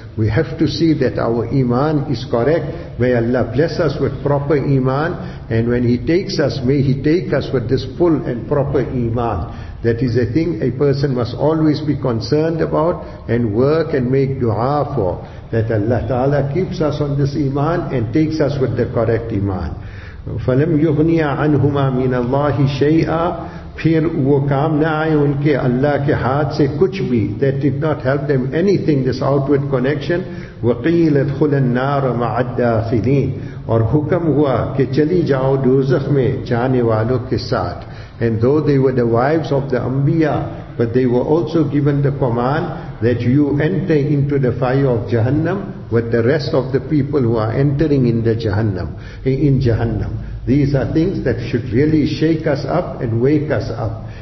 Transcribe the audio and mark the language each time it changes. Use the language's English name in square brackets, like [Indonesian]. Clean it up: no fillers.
[English] We have to see that our iman is correct. May Allah bless us with proper iman. And when He takes us, may He take us with this full and proper iman. That is a thing a person must always be concerned about and work and make dua for. That Allah Ta'ala keeps us on this iman and takes us with the correct iman. [Arabic] فَلَمْ يُغْنِيَا عَنْهُمَا مِنَ اللَّهِ شَيْئًا [Urdu] پھر وہ کام نہ آئے ان کے اللہ کے ہاتھ سے کچھ بھی. [English] That did not help them anything, this outward connection. [Arabic] وَقِيلَ ادْخُلَ النَّارَ مَعَ الدَّاخِلِينَ [Urdu] اور حکم ہوا کہ چلی جاؤ دوزخ میں جانے والوں کے ساتھ. [English] And though they were the wives of the Anbiya, but they were also given the command that you enter into the fire of Jahannam with the rest of the people who are entering in the Jahannam, in Jahannam. These are things that should really shake us up and wake us up.